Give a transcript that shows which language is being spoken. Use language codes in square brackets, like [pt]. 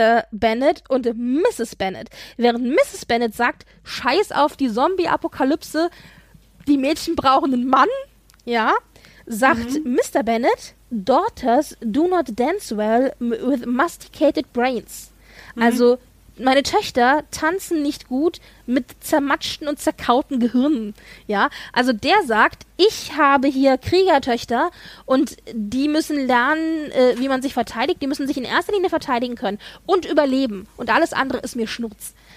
[de] Bennet und Mrs. Bennet. Während Mrs. Bennet sagt, scheiß auf die Zombie-Apokalypse, die Mädchen brauchen einen Mann, ja, sagt Mr. [en] Bennet, Daughters do not dance well with masticated brains. [de] Also meine Töchter tanzen nicht gut mit zermatschten und zerkauten Gehirnen, ja. Also der sagt, ich habe hier Kriegertöchter und die müssen lernen, wie man sich verteidigt, die müssen sich in erster Linie verteidigen können und überleben und alles andere ist mir Schnurz.